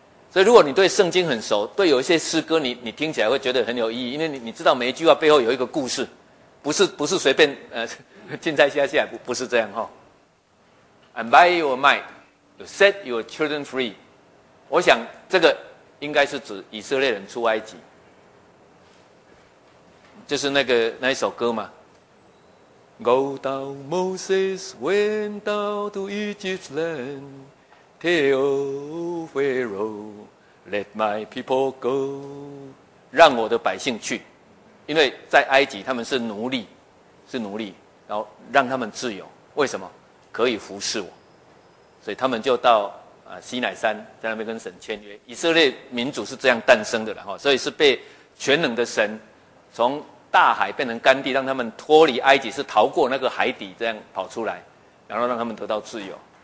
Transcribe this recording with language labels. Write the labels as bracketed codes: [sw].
[zh] 所以如果你对圣经很熟，对有一些诗歌你听起来会觉得很有意义，因为你知道每一句话背后有一个故事，不是随便轻彩下不是这样齁。 [en] And by your mind you set your children free， [zh] 我想这个应该是指以色列人出埃及，就是那一首歌嘛。 [en] Go down Moses went down to Egypt's land, Tell Pharaoh let my people go， [zh] 让我的百姓去，因为在埃及他们是奴隶，然后让他们自由，为什么？可以服侍我，所以他们就到西乃山，在那边跟神签约，以色列民族是这样诞生的了，所以是被全能的神从大海变成干地，让他们脱离埃及，是逃过那个海底这样跑出来，然后让他们得到自由。